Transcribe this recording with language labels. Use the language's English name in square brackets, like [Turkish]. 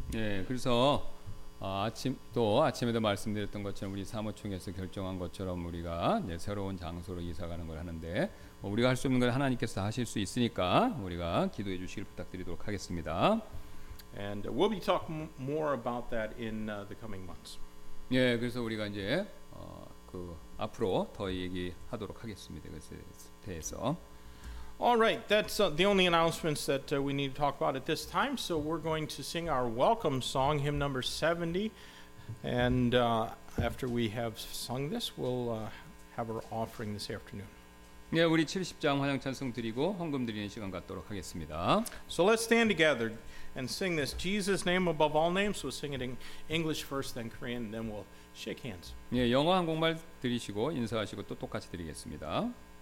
[Korean] 예, 그래서 아침에도 말씀드렸던 것처럼 우리 사무총에서 결정한 것처럼 우리가 이제 새로운 장소로 이사 가는 걸 하는데 뭐 우리가 할 수 있는 건 하나님께서 하실 수 있으니까 우리가 기도해 주시길 부탁드리도록 하겠습니다. [English] And we'll be talking more about that in the coming months. [Korean] 예, 그래서 우리가 이제 그 앞으로 더 얘기하도록 하겠습니다. 그래서 대해서. [English] All right, that's the only announcements that we need to talk about at this time. So we're going to sing our welcome song, hymn number 70. And after we have sung this, we'll have our offering this afternoon. [Korean] 네, 우리 70장 환영 찬송 드리고 헌금 드리는 시간 갖도록 하겠습니다. [English] So let's stand together and sing this. Jesus' name above all names. We'll sing it in English first, then Korean, and then we'll shake hands. [Korean] 네, 영어 한국말 드리시고 인사하시고 또 똑같이 드리겠습니다.